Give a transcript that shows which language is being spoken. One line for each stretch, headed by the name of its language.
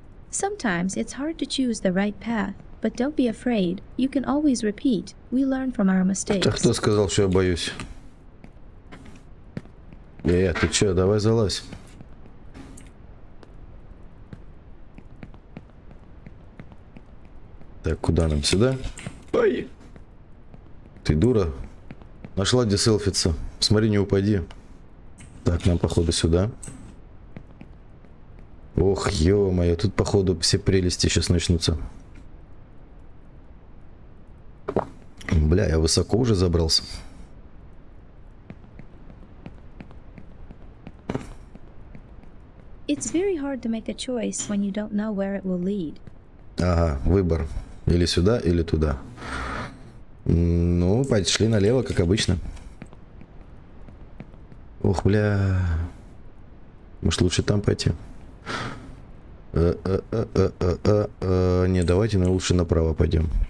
English: Sometimes it's hard to choose the right path, but don't be afraid. You can always repeat. We learn from our mistakes.
Russian: Так кто сказал, что я боюсь? Э, ты чё, давай залазь. Так, куда нам? Сюда? Ой. Ты дура? Нашла, где селфиться. Смотри, не упади. Так, нам, походу, сюда. Ох, ё-моё, тут, походу, все прелести сейчас начнутся. Бля, я высоко уже забрался.
English: It's very hard to make a choice when you don't know where it will lead.
Russian: Ага, выбор. Или сюда, или туда. Ну, пошли налево, как обычно. Ух, бля. Может, лучше там пойти? Не, давайте лучше направо пойдем.